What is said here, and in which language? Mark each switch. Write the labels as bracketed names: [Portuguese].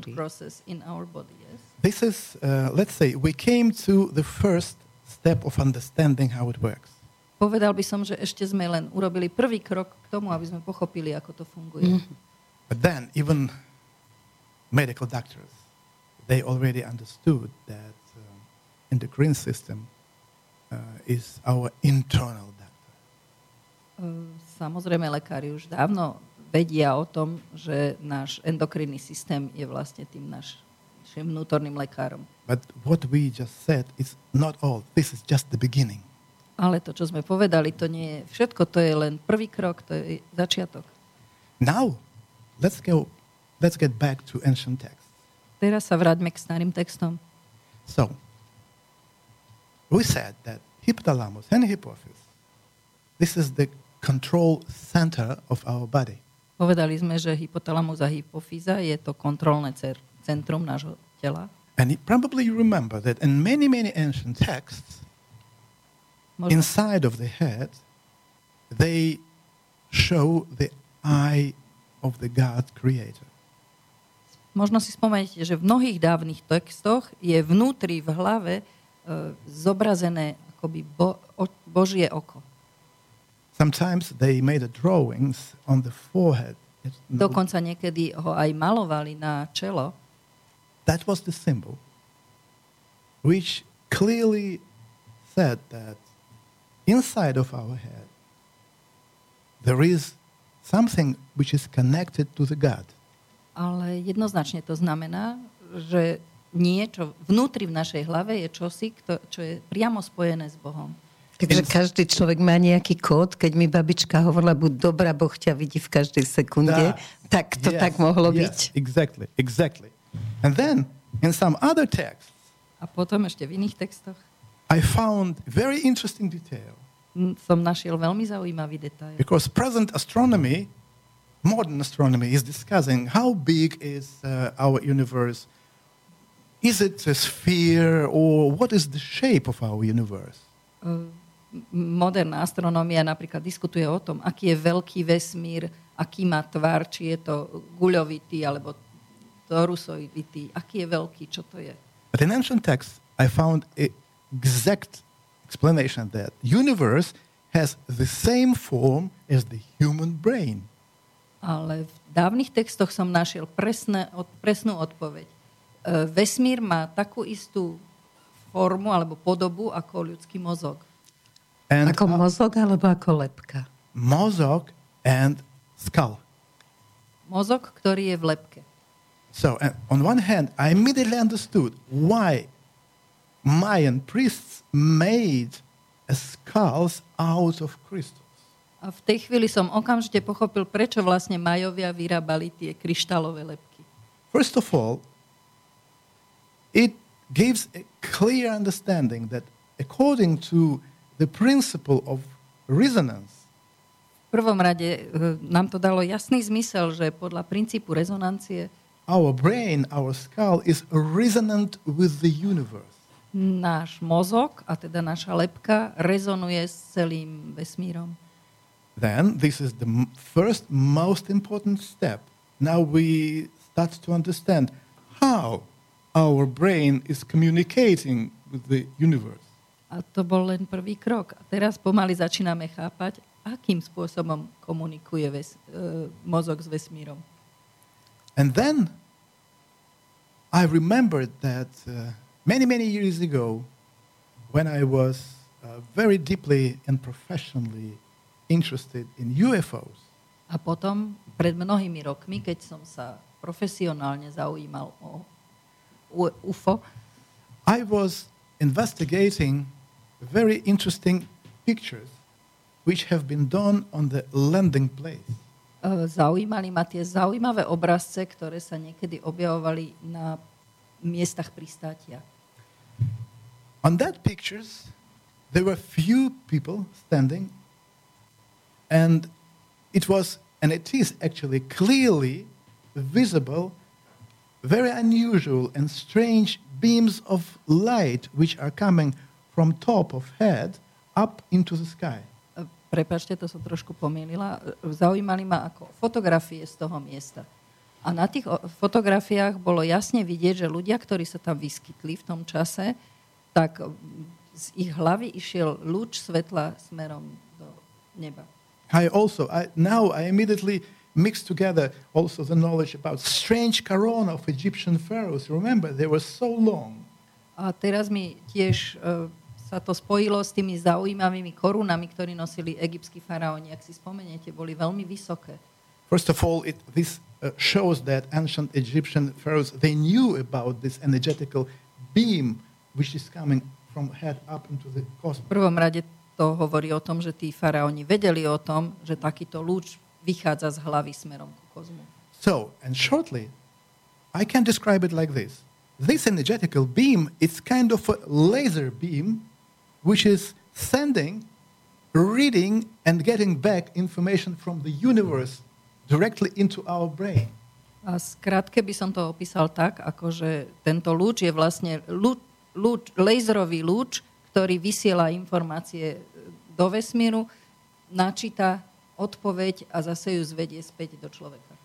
[English] Self-healing process in our body, yes? This is, let's say, we came to the first step of understanding how it works. [Slovak] Povedal by som, že ešte sme len urobili prvý krok k tomu, aby sme pochopili, ako to funguje. Mm. [English] But then, even medical doctors, they already understood that endocrine system is our internal doctor. [Slovak] Samozrejme, lekári už dávno vedia o tom, že náš endokrinný systém je vlastne tým našim vnútorným lekárom. [English] But what we just said is not all. This is just the beginning. [Slovak] Ale to, čo sme povedali, to nie je všetko. To je len prvý krok, to je začiatok. [English] Now, let's get back to ancient texts. [Slovak] Teraz sa vráťme k starým textom. [English] So, we said that hypothalamus and hypophysis, this is the control center of our body. [Slovak] Povedali sme, že hypothalamus a hypofýza je to kontrolné centrum nášho tela. [English] And probably you remember that in many, many ancient texts, inside of the head, they show the eye of the God creator. [Slovak] Možno si spomenete, že v mnohých dávnych textoch je vnútri v hlave zobrazené akoby Božie oko. [English] Sometimes they made drawings on the forehead. [Slovak] Dokonca niekedy ho aj malovali na čelo. [English] That was the symbol which clearly said that inside of our head there is something which is connected to the God. [Slovak] Ale jednoznačne to znamená, že niečo vnútri v našej hlave je čosi, čo je priamo spojené s Bohom. Takže každý človek má nejaký kód, keď mi babička hovorila, buď dobrá, Boh ťa vidí v každej sekunde, tak to tak mohlo byť. [English] Exactly, exactly. And then, in some other texts, [Slovak] a potom ešte v iných textoch, [English] I found very interesting detail. [Slovak] Som našiel veľmi zaujímavý detail. [English] Because present astronomy, modern astronomy, is discussing how big is our universe. Is it a sphere or what is the shape of our universe? [Slovak] Moderná astronomia napríklad diskutuje o tom, aký je veľký vesmír, aký má tvar, či je to guľovitý alebo torusovitý, aký je veľký, čo to je. [English] But in ancient texts, I found an exact explanation that universe has the same form as the human brain. [Slovak] Ale v dávnych textoch som našiel presnú odpoveď. Vesmír má takú istú formu alebo podobu ako ľudský mozog. And ako mozog alebo ako lebka? [English] Mozog and skull. [Slovak] Mozog, ktorý je v lebke. [English] So, on one hand, I immediately understood why Mayan priests made skulls out of crystals. [Slovak] A v tej chvíli som okamžite pochopil, prečo vlastne Majovia vyrábali tie kryštálové lebky. [English] First of all, it gives a clear understanding that according to the principle of resonance. [Slovak] V prvom rade nám to dalo jasný zmysel, že podľa princípu rezonancie [English] our brain, our skull is resonant with the universe. [Slovak] Náš mozog, a teda naša lebka, rezonuje s celým vesmírom. [English] Then this is the first most important step. Now we start to understand how our brain is communicating with the universe. [Slovak] A to bol len prvý krok. A teraz pomaly začíname chápať, akým spôsobom komunikuje mozog s vesmírom. [English] And then I remembered that many years ago when I was very deeply and professionally interested in UFOs. [Slovak] A potom pred mnohými rokmi, keď som sa profesionálne zaujímal o UFO, [English] I was investigating very interesting pictures which have been done on the landing place. [Slovak] Zaujímali ma tie zaujímavé obrazce, ktoré sa niekedy objavovali na miestach pristátia. [English] On that pictures there were few people standing and it was, and it is actually clearly visible, very unusual and strange beams of light which are coming from top of head up into the sky. [Slovak] Prepáčte, to som trošku pomýlila. Zaujímali ma ako fotografie z toho miesta. A na tých fotografiách bolo jasne vidieť, že ľudia, ktorí sa tam vyskytli v tom čase, tak z ich hlavy išiel lúč svetla smerom do neba. [English] I immediately mixed together also the knowledge about strange corona of Egyptian pharaohs. Remember, they were so long. [Slovak] A teraz mi tiež sa to spojilo s tými zaujímavými korunami, ktorí nosili egyptskí faraóni. Ak si spomeniete, boli veľmi vysoké. [English] First of all, this shows that ancient Egyptian pharaohs, they knew about this energetical beam which is coming from head up into the cosmos. [Slovak] V prvom rade to hovorí o tom, že tí faraóni vedeli o tom, že takýto lúč vychádza z hlavy smerom ku kozmu. [English] So, and shortly, I can describe it like this. This energetical beam, it's kind of a laser beam which is sending, reading and getting back information from the universe directly into our brain. [Slovak] A skrátke by som to opísal tak, akože tento lúč je vlastne lúč, laserový lúč, ktorý vysiela informácie do vesmíru, načíta odpoveď a zase ju zvedie späť do človeka.